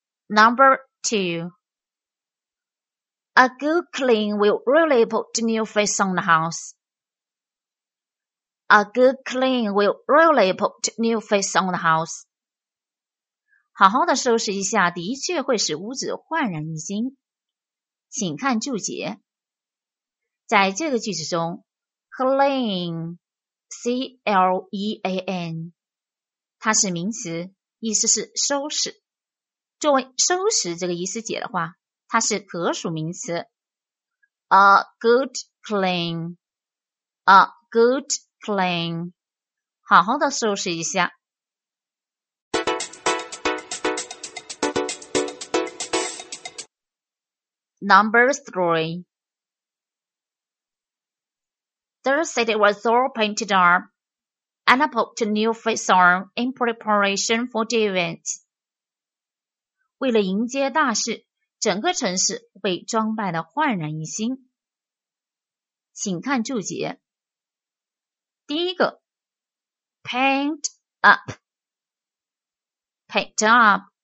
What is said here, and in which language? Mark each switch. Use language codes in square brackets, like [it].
[en] Number two, a good clean will really put the new face on the house. A good clean will really put the new face on the house. [zh] 好好的收拾一下，的确会使屋子焕然一新。请看注解，在这个句子中 clean C-L-E-A-N 它是名词，意思是收拾。作为收拾这个意思解的话，它是可数名词 [en] A good clean A good clean [zh] 好好的收拾一下。 [en] Number three. The city was all painted up, and I put a new face on in preparation for the event. [zh] 为了迎接大事，整个城市被装扮得焕然一新。请看注解。第一个 [en] ,paint up. Paint up.